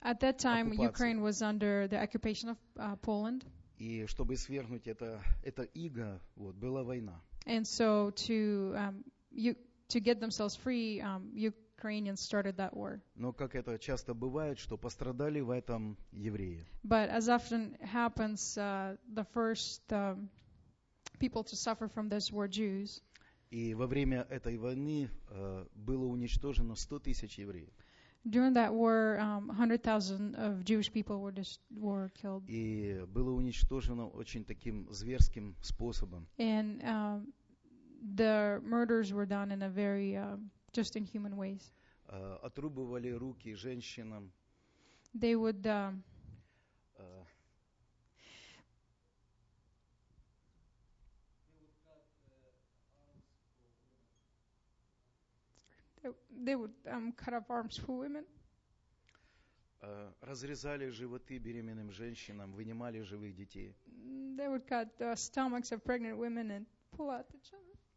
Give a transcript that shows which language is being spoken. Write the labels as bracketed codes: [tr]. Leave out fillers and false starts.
[en] At that time, Ukraine was under the occupation of Poland. [ru] И чтобы свергнуть это иго, вот, была война. [en] And so to get themselves free, Ukrainians started that war. [ru] Но как это часто бывает, что пострадали в этом евреи. [en] But as often happens, the first people to suffer from this war Jews. [ru] И во время этой войны было уничтожено 100 тысяч евреев. [en] During that war, 100,000 of Jewish people were killed. [ru] И было уничтожено очень таким зверским способом. [en] And the murders were done in a very just inhuman ways. [ru] Отрубывали руки женщинам. [en] They would cut up arms for women. [ru] Разрезали животы беременным женщинам, вынимали живых детей. [en] They would cut the stomachs of pregnant women and pull out the children.